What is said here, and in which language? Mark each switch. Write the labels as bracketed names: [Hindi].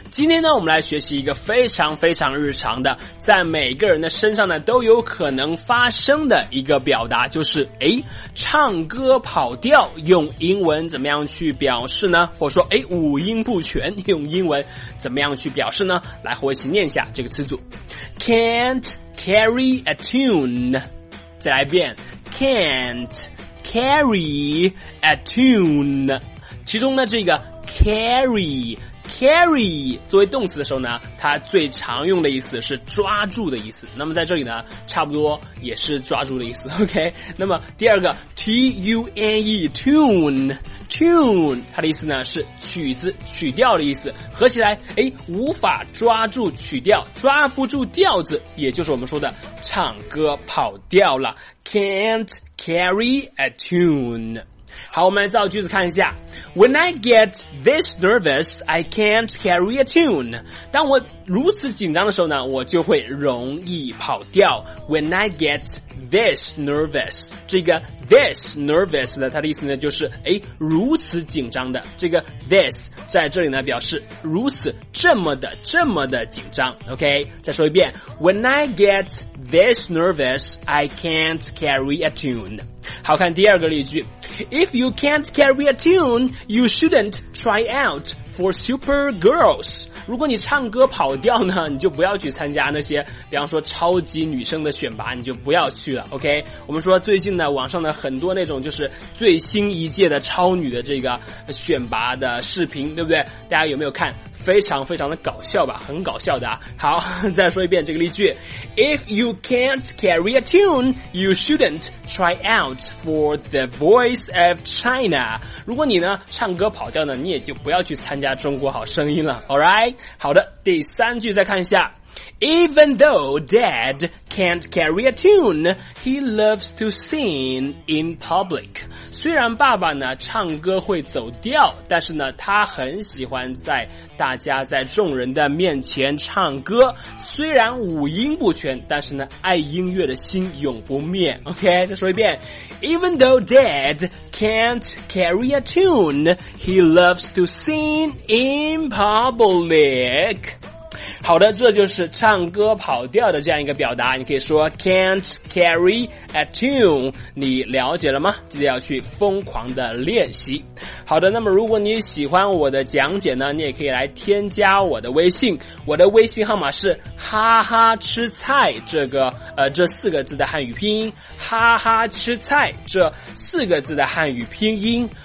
[Chinese] 今天呢，我们来学习一个非常非常日常的，在每个人的身上呢都有可能发生的一个表达，就是诶，唱歌跑调，用英文怎么样去表示呢？或者说诶，五音不全，用英文怎么样去表示呢？来，和我一起念一下这个词组。 [English] Can't carry a tune。 [Chinese] 再来一遍， [English] Can'tcarry a tune。 [Chinese] 其中呢，这个 carry 作为动词的时候呢，它最常用的意思是抓住的意思，那么在这里呢差不多也是抓住的意思， OK。那么第二个 tune tune 它的意思呢是曲子，曲调的意思，合起来诶，无法抓住曲调，抓不住调子，也就是我们说的唱歌跑调了， [English] can't carry a tune。 [Chinese] 好，我们来造句子看一下。 [English] When I get this nervous, I can't carry a tune。 [Chinese] 当我如此紧张的时候呢，我就会容易跑调。 [English] When I get this nervous， [Chinese] 这个 this nervous 的它的意思呢就是诶，如此紧张的，这个 this 在这里呢表示如此，这么的紧张， OK。再说一遍， [English] When I get this nervous, I can't carry a tune。 [Chinese] 好，看第二个例句。 [English] If you can't carry a tune, you shouldn't try out for Super Girls。 [Chinese] 如果你唱歌跑调呢，你就不要去参加那些比方说超级女生的选拔，你就不要去了， OK。我们说最近呢，网上的很多那种就是最新一届的超女的这个选拔的视频，对不对？大家有没有看？非常非常的搞笑吧，很搞笑的啊。好，再说一遍这个例句。 [English] If you can't carry a tune, you shouldn't try out for the Voice of China。 [Chinese] 如果你呢唱歌跑调呢，你也就不要去参加中国好声音了， alright。好的，第三句再看一下。 [English] Even though Dad can't carry a tune, he loves to sing in public。 [Chinese] 虽然爸爸呢唱歌会走调，但是呢他很喜欢在大家在众人的面前唱歌，虽然五音不全，但是呢爱音乐的心永不灭， OK。再说一遍， [English] Even though Dad can't carry a tune, he loves to sing in public。 [Chinese] 好的，这就是唱歌跑调的这样一个表达，你可以说 [English] can't carry a tune， [Chinese] 你了解了吗？记得要去疯狂的练习。好的，那么如果你喜欢我的讲解呢，你也可以来添加我的微信，我的微信号码是哈哈吃菜，这四个字的汉语拼音，哈哈吃菜这四个字的汉语拼音。